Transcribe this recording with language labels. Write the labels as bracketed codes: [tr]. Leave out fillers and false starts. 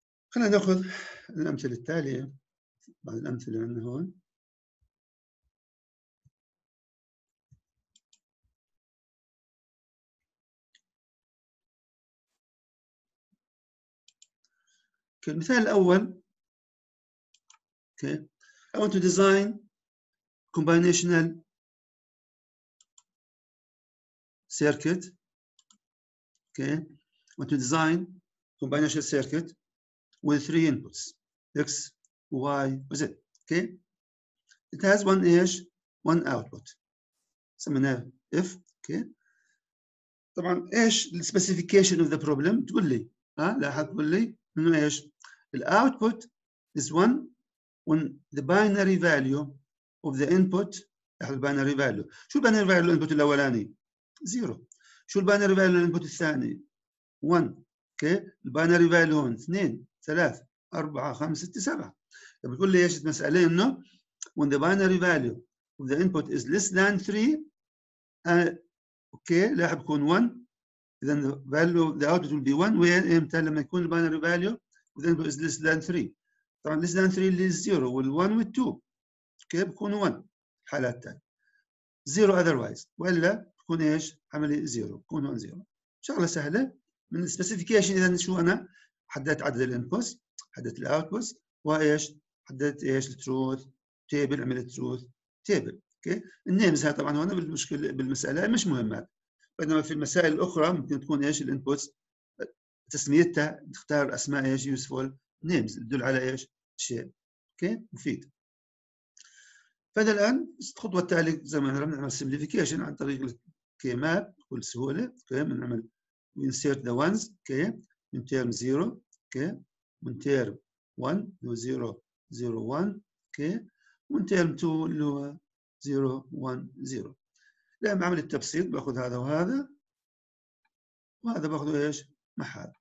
[ar] خلينا ناخذ الامثله التاليه بعض الامثله عندنا هون المثال الأول okay. [en] I want to design combinational circuit okay. I want to design combinational circuit with three inputs X, Y, Z okay. It has one edge, one output [ar] سميناه [en] F okay. [ar] طبعا إيش [en] the specification of the problem [ar] تقول لي ها لاحظ تقول لي إنه إيش [en] The output is 1 when the binary value of the input [ar] لاحظ binary value شو binary value الانبوت الاولاني؟ 0 شو binary value الانبوت الثاني؟ 1 اوكي binary value هون 2 3 4 5 6 7 بتقول لي ايش المساله انه [en] when the binary value of the input is less than 3 [ar] اوكي لاحظ بكون 1 إذا [en] value the output will be 1 [ar] وين إمتى؟ لما يكون الباينري فاليو [en] then is less than 3. [ar] طبعا [en] less than 3 [ar] اللي 0 وال 1 وال 2 كيف بكون 1 الحالات الثانية. 0 [en] otherwise [ar] ولا بكون ايش؟ عملية 0 بكون 0. شغلة سهلة من specification. إذا شو أنا؟ حددت عدد الانبوتس، حددت الاوتبوتس، وايش؟ حددت ايش؟ التروث تيبل، عملية التروث تيبل. اوكي؟ النيمز هاي طبعا هون بالمشكلة بالمسألة مش مهمة. بينما في المسائل الأخرى ممكن تكون ايش؟ الانبوتس تسميتها تختار أسماء ايش؟ يوسفول نيمز تدل على ايش؟ شيء. اوكي؟ مفيد. فهذا الآن الخطوة التالية زي ما نعمل نعمل سمبليفيكيشن عن طريق الكي ماب بكل سهولة. [en] Okay? [ar] بنعمل [en] insert the ones. [ar] اوكي؟ من تيرم 0 كي من تيرم 1 هو 0 0 1 كي من تيرم 2 اللي هو 0 1 0. لما عمل التبسيط باخذ هذا وهذا وهذا باخذ ايش؟ مع هذا.